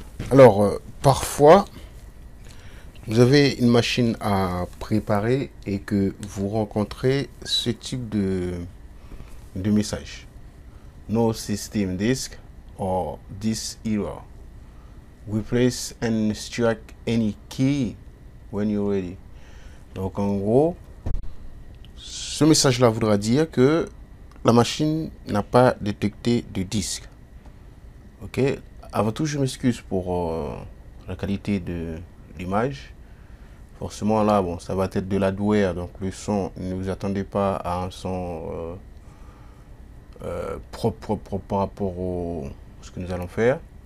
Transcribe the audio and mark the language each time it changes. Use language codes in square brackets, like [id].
[fr] Alors, parfois, vous avez une machine à préparer et que vous rencontrez ce type de message. [en] No system disk or disk error. Replace and extract any key when you're ready. [fr] Donc, en gros, ce message-là voudra dire que la machine n'a pas détecté de disque. Ok, avant tout, je m'excuse pour la qualité de l'image. Forcément, là, bon, ça va être de l'hardware, donc le son, ne vous attendez pas à un son propre par rapport au ce que nous allons faire.